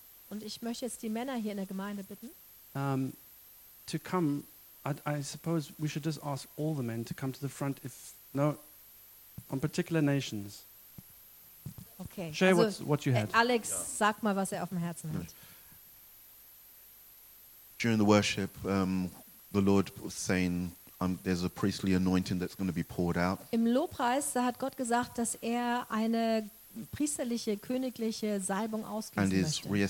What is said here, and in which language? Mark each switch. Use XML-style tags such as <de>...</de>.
<de>Und ich möchte jetzt die Männer hier in der Gemeinde bitten.</de> <en>To come, I suppose we should just ask all the men to come to the front if no on particular nations. Okay. Share also, what you had. Alex, yeah.</en> <de>Sag mal, was er auf dem Herzen hat.</de> <en>During the worship, the Lord was saying there's a priestly anointing that's going to be poured out.</en> <de>Im Lobpreis, da hat Gott gesagt, dass er eine priesterliche, königliche Salbung ausgießen möchte.</de>